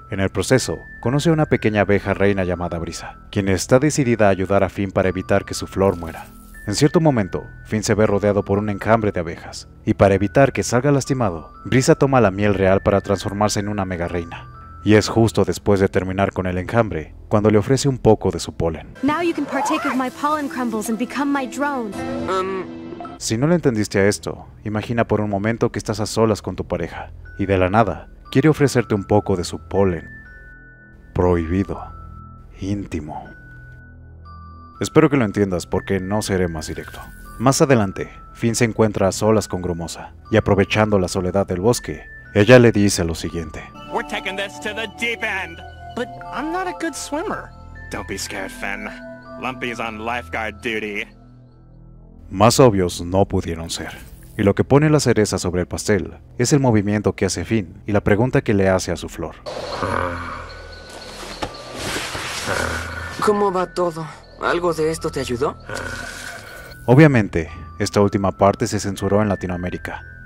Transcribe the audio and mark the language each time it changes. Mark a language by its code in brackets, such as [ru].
[es] En el proceso, conoce a una pequeña abeja reina llamada Brisa, quien está decidida a ayudar a Finn para evitar que su flor muera. En cierto momento, Finn se ve rodeado por un enjambre de abejas, y para evitar que salga lastimado, Brisa toma la miel real para transformarse en una mega reina. Y es justo después de terminar con el enjambre, cuando le ofrece un poco de su polen. [en] Now you can partake of my pollen crumbles and become my drone. [es] Si no le entendiste a esto, imagina por un momento que estás a solas con tu pareja, y de la nada, quiere ofrecerte un poco de su polen. Prohibido. Íntimo. Espero que lo entiendas porque no seré más directo. Más adelante, Finn se encuentra a solas con Grumosa, y aprovechando la soledad del bosque, ella le dice lo siguiente. [en] We're taking this to the deep end. But I'm not a good swimmer. Don't be scared, Finn. Lumpy's on lifeguard duty. [es] Más obvios no pudieron ser. Y lo que pone la cereza sobre el pastel es el movimiento que hace Finn y la pregunta que le hace a su flor. ¿Cómo va todo? ¿Algo de esto te ayudó? Obviamente, esta última parte se censuró en Latinoamérica.